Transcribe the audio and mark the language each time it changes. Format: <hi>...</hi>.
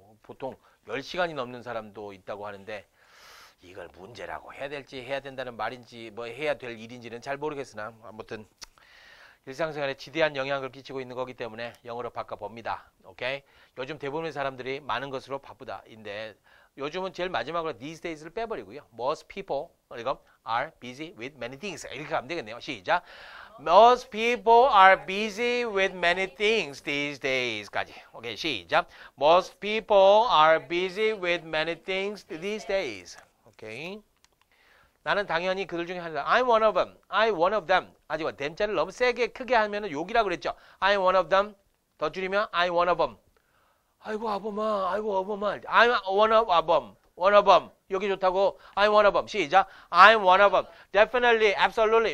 <ko>보통 10시간이 넘는 사람도 있다고 하는데 이걸 문제라고 해야 될지 해야 된다는 말인지 뭐 해야 될 일인지는 잘 모르겠으나 아무튼 일상생활에 지대한 영향을 끼치고 있는 거기 때문에 영어로 바꿔봅니다. 오케이? 요즘 대부분의 사람들이 많은 것으로 바쁘다인데 요즘은 제일 마지막으로 these days를 빼버리고요.</ko> <en>Most people are busy with many things.</en> <ko>이렇게 하면 되겠네요.</ko> <en>시작! Most people are busy with many things these days.</en> <ko>까지. 오케이, 시작!</ko> <en>Most people are busy with many things these days.</en> <ko>오케이? 나는 당연히 그들 중에 하나다.</ko> <en>I'm one of them. I'm one of them.</en> <ko>하지만 them자를 너무 세게 크게 하면 욕이라고 그랬죠.</ko> <en>I'm one of them.</en> <ko>더 줄이면</ko> <en>I'm one of them.</en> <ko>아이고 아범아. 아이고 아범아.</ko> <en>I'm one of them. One of them. 여기 좋다고. I'm one of them. 시작. I'm one of them. Definitely. Absolutely.</en>